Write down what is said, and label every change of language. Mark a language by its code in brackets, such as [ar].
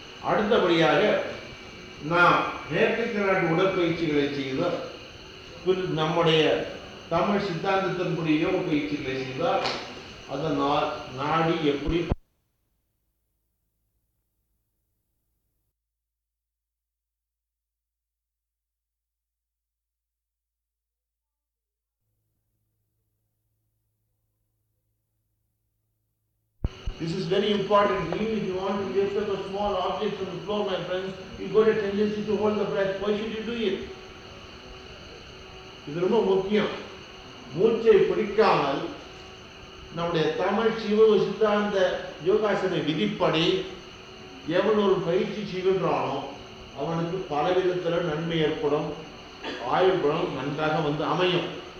[ta] அடுத்தபடியாக நான் நேற்றைக்கு நாட்டு உடற்பயிற்சிகளை செய்தால் நம்முடைய தமிழ் சித்தாந்தத்தினுடைய யோக பயிற்சிகளை செய்தால் அதனால் நாடி எப்படி [en] This is very important. Even if you want to lift up a small object from the floor, my friends, you got a tendency to hold the breath. Why should you do it? [ta] இது ரொம்ப முக்கியம். மூச்சை பிடிக்காமல் நம்முடைய தமிழ் சிவ சித்தாந்த யோகாசன விதிப்படி எவன் ஒரு பயிற்சி செய்கின்றானோ அவனுக்கு பல விதத்தில் நன்மை ஏற்படும், ஆயுள்பலம் நன்றாக வந்து அமையும்.